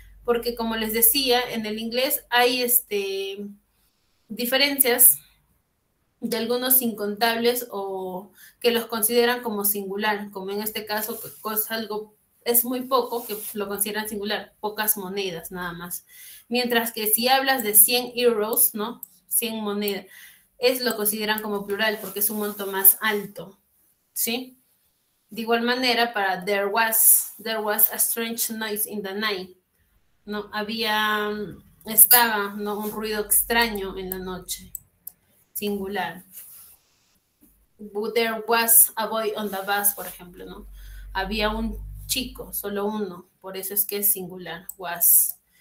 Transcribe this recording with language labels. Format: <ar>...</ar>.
<es>Porque como les decía, en el inglés hay diferencias de algunos incontables o que los consideran como singular, como en este caso es algo, es muy poco que lo consideran singular, pocas monedas nada más. Mientras que si hablas de 100 euros, ¿no? 100 monedas, es lo consideran como plural porque es un monto más alto, ¿sí? De igual manera para</es> <en>there was a strange noise in the night.</en> <es>No, estaba, ¿no?, un ruido extraño en la noche, singular.</es> <en>There was a boy on the bus,</en> <es>por ejemplo, ¿no? Había un chico, solo uno, por eso es que es singular, was.</es>